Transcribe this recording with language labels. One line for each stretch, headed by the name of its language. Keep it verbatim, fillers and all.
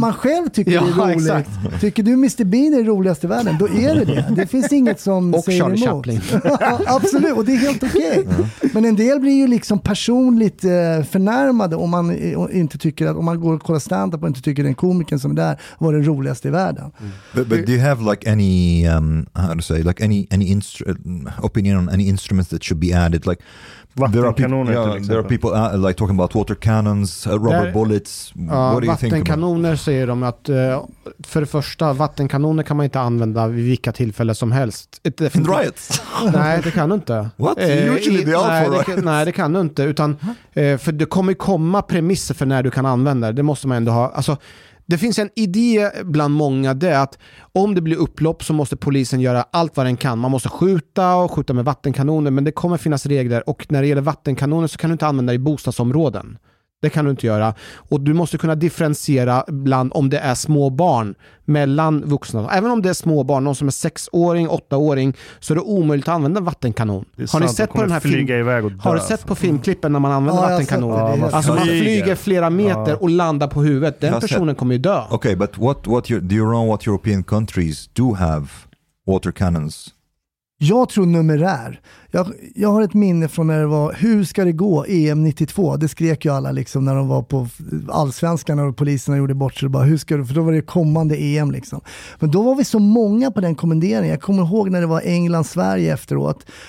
Swedish: man själv tycker ja, är roligt. Exakt. Tycker du mister Bean är det roligaste i världen, då är det det. Det finns inget som och säger Charlie emot. Chaplin. Absolut, och det är helt okej. Okay. Mm. Men en del blir ju liksom personligt förnärmade om man inte tycker att, om man går och kollar stand-up och inte tycker den komikern som är där var den roligaste i världen. Mm.
English: But, but do you have like any um, how to say like any any instru- opinion on any instruments that should be added like there are, people, yeah, there are people uh, like talking about water cannons, uh, rubber där, bullets. What uh, do you think?
Swedish: Vattenkanoner säger de att uh, för det första vattenkanoner kan man inte använda vid vilka tillfällen som helst.
English: In riots?
Swedish: Nej, det kan du inte.
English: What? Uh, Usually they are for riots.
Swedish: Nej, det kan du inte. Utan, uh, för det kommer komma premisser för när du kan använda det. Det måste man ändå ha. Alltså, det finns en idé bland många det att om det blir upplopp så måste polisen göra allt vad den kan. Man måste skjuta och skjuta med vattenkanoner, men det kommer finnas regler. Och när det gäller vattenkanoner så kan du inte använda det i bostadsområden. Det kan du inte göra. Och du måste kunna differentiera bland om det är små barn mellan vuxna. Även om det är små barn, någon som är sexåring, åttaåring, så är det omöjligt att använda vattenkanon. Har ni sett på den här film... Har du sett på filmklippen när man använder ja, vattenkanoner? Ja, alltså man flyger flera meter ja. och landar på huvudet. Den personen kommer ju dö.
English: Okay, but what what you, do you know what European countries do have water cannons?
Swedish: Jag tror numerär. Jag, jag har ett minne från när det var hur ska det gå E M nittiotvå. Det skrek ju alla liksom när de var på allsvenskan och poliserna gjorde bort sig bara hur ska du, för då var det kommande E M liksom. Men då var vi så många på den kommenderingen. Jag kommer ihåg när det var England Sverige efteråt.